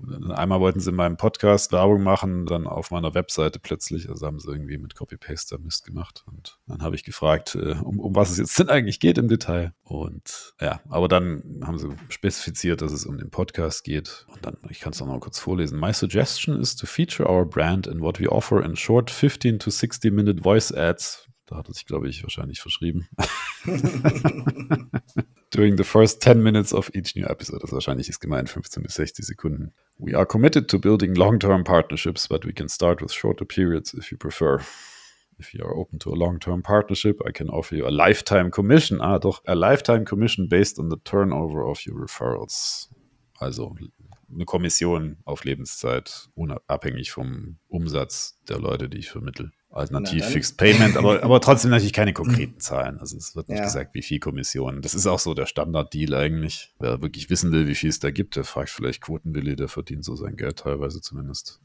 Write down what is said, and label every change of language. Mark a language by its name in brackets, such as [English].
[German] Einmal wollten sie in meinem Podcast Werbung machen, dann auf meiner Webseite plötzlich, also haben sie irgendwie mit Copy-Paste da Mist gemacht und dann habe ich gefragt, um was es jetzt denn eigentlich geht im Detail und ja, aber dann haben sie spezifiziert, dass es um den Podcast geht und dann, ich kann es noch mal kurz vorlesen. [English] My suggestion is to feature our brand in what we offer in short 15 to 60 minute voice ads. [German] Da hat er sich, glaube ich, wahrscheinlich verschrieben. [English] During the first 10 minutes of each new episode. [German] Das wahrscheinlich ist gemeint 15 bis 60 Sekunden. [English] We are committed to building long-term partnerships, but we can start with shorter periods if you prefer. If you are open to a long-term partnership, I can offer you a lifetime commission. Ah, doch, a lifetime commission based on the turnover of your referrals. [German] Also eine Kommission auf Lebenszeit, unabhängig vom Umsatz der Leute, die ich vermittle. Alternativ Fixed Payment, aber trotzdem natürlich keine konkreten Zahlen. Also es wird nicht gesagt, wie viel Kommissionen. Das ist auch so der Standard-Deal eigentlich. Wer wirklich wissen will, wie viel es da gibt, der fragt vielleicht Quotenwilli, der verdient so sein Geld teilweise zumindest.